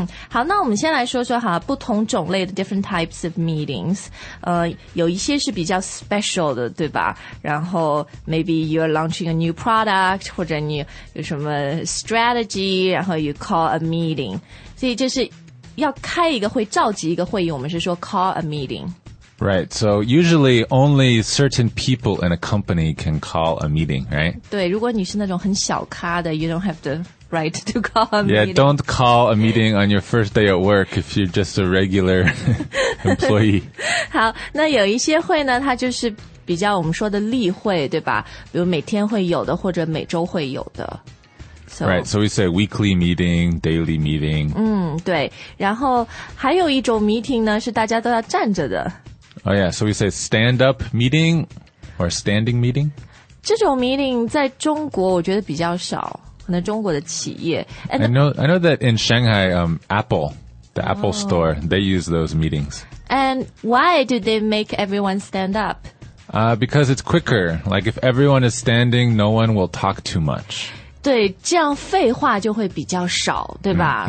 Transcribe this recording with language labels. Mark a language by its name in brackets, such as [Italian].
[Chinese] 好那我们先来说说哈不同种类的 [English] different types of meetings [Chinese] 有一些是比较 special 的对吧然后 [English] maybe you're launching a new product [Chinese] 或者你有什么 strategy 然后 [English] you call a meeting [Chinese] 所以就是要开一个会召集一个会议我们是说 call a meeting [English] Right, so usually only certain people in a company can call a meeting, right? [Chinese] 对如果你是那种很小咖的 [English] you don't have to... Right to call a meeting. Yeah, don't call a meeting on your first day at work if you're just a regular employee. [Chinese] 好，那有一些会呢，它就是比较我们说的例会，对吧？比如每天会有的，或者每周会有的。 [English] Right, so we say weekly meeting, daily meeting. [Chinese] 对。然后还有一种 meeting 呢，是大家都要站着的。 [English] Oh yeah, so we say stand up meeting or standing meeting. [Chinese] 这种 meeting 在中国我觉得比较少。可能中国的企业 [English] I know that in Shanghai, Apple, the Apple store, they use those meetings. And why do they make everyone stand up? Because it's quicker. Like if everyone is standing, no one will talk too much. [Chinese] 对，这样废话就会比较少，对吧？